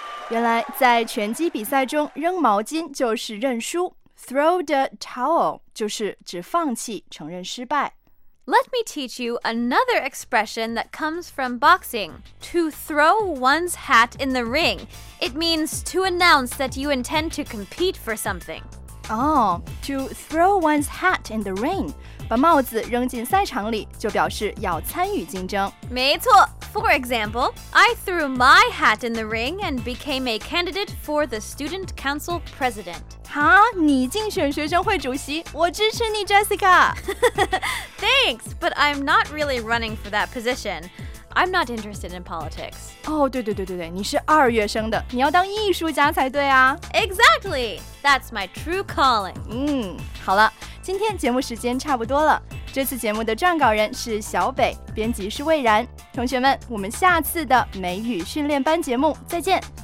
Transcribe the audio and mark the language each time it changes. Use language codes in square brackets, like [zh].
[zh] 原来在拳击比赛中扔毛巾就是认输 ， [en] throw the towel [zh] 就是指放弃、承认失败。 [en] Let me teach you another expression that comes from boxing. To throw one's hat in the ring. It means to announce that you intend to compete for something. Oh, to throw one's hat in the ring. [zh] 把帽子扔进赛场里就表示要参与竞争。没错。 [en] For example, I threw my hat in the ring and became a candidate for the student council president. [zh] 哈，你竞选学生会主席，我支持你 Jessica. [en] Thanks, but I'm not really running for that position. I'm not interested in politics. [zh] Oh, 对对对对对，你是二月生的，你要当艺术家才对啊。 [en] Exactly! That's my true calling. [zh] 嗯，好了，今天节目时间差不多了。这次节目的撰稿人是小北，编辑是魏然。同学们，我们下次的美语训练班节目再见。